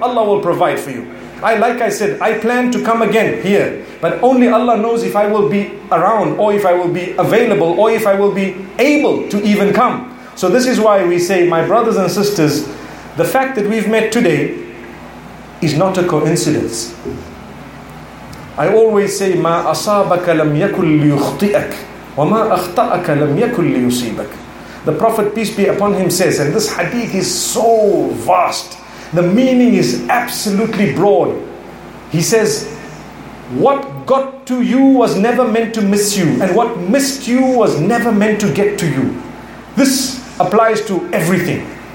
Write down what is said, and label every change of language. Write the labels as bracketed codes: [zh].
[en] Allah will provide for you. Like I said, I plan to come again here. But only Allah knows if I will be around, or if I will be available, or if I will be able to even come. So this is why we say, my brothers and sisters, the fact that we've met today is not a coincidence. [ar] I always say, ما أصابك لم يكن ليخطئك وما أخطأك لم يكن ليصيبك. [en] The Prophet, peace be upon him, says, and this hadith is so vast, the meaning is absolutely broad. He says, what got to you was never meant to miss you, and what missed you was never meant to get to you. This applies to everything.